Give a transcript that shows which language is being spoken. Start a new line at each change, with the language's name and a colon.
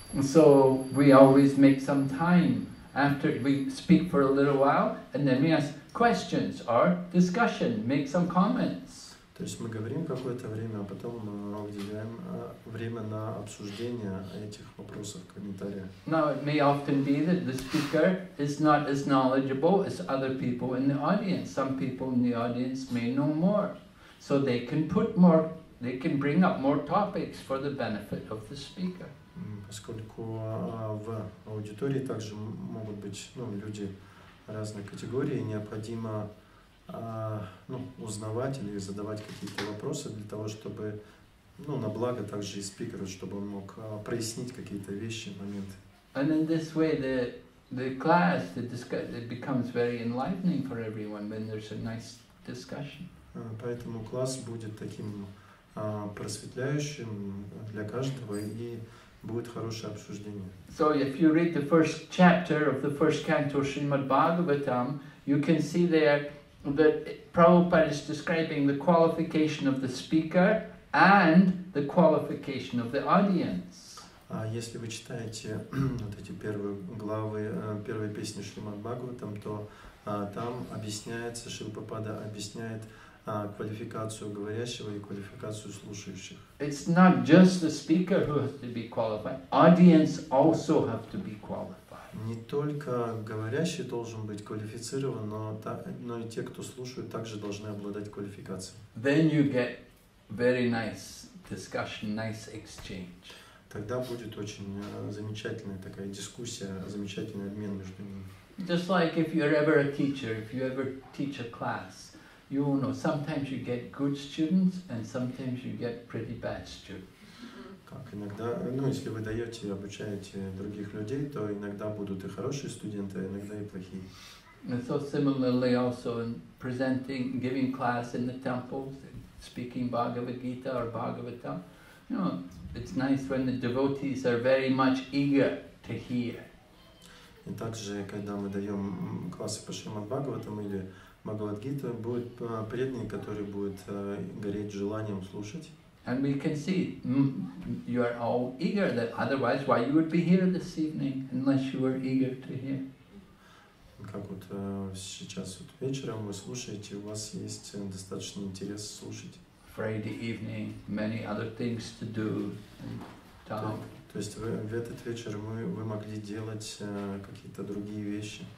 English: So we always make some time after we speak for a little while, and then we ask questions or discussion, make some comments.
Russian: То есть мы говорим какое-то время, а потом мы уделяем время на обсуждение этих вопросов, комментариев.
English: Now it may often be that the speaker is not as knowledgeable as other people in the audience. Some people in the audience may know more, so they can put more, they can bring up more topics for the benefit of the speaker.
Russian: Поскольку в аудитории также могут быть люди разной категории, необходимо узнавать или задавать какие-то вопросы для того, чтобы, на благо также и спикера, чтобы он мог прояснить какие-то вещи, моменты.
English: And in this way the class, the discussion, it becomes very enlightening for everyone when there's a nice discussion.
Russian: Поэтому класс будет таким просветляющим для каждого и будет хорошее обсуждение.
English: So if you read the first chapter of the first canto of Srimad Bhagavatam, you can see there that Prabhupada is describing the qualification of the speaker and the qualification of the audience.
Russian: Если вы читаете вот эти первые главы, первые песни Шримад Бхагаватам, то там объясняется, Шрила Прабхупада объясняет квалификацию говорящего и квалификацию слушающих.
English: It's not just the speaker who has to be qualified. Audience also have to be qualified.
Russian: Не только говорящий должен быть квалифицирован, но и те, кто слушает, также должны обладать квалификацией.
English: Then you get very nice discussion, nice exchange.
Russian: Тогда будет очень замечательная такая дискуссия, замечательный обмен между ними.
English: Just like if you're ever a teacher, if you ever teach a class, you know, sometimes you get good students and sometimes you get pretty bad students.
Russian: Так, иногда, ну, если вы даете и обучаете других людей, то иногда будут и хорошие студенты, а иногда и плохие.
English: And so similarly also in presenting, giving class in the temples, speaking Bhagavad Gita or Bhagavatam, you know, it's nice when the devotees are very much eager to hear.
Russian: И также, когда мы даем классы по Шримад Бхагаватам или Бхагавад Гита, будут преданные, которые будут гореть желанием слушать.
English: And we can see you are all eager. That otherwise, why you would be here this evening unless you were eager to hear?
Russian: Как вот сейчас вот вечером вы слушаете, у вас есть достаточно интерес слушать.
English: Friday evening, many other things to do.
Russian: То есть в этот вечер вы могли делать какие-то другие вещи.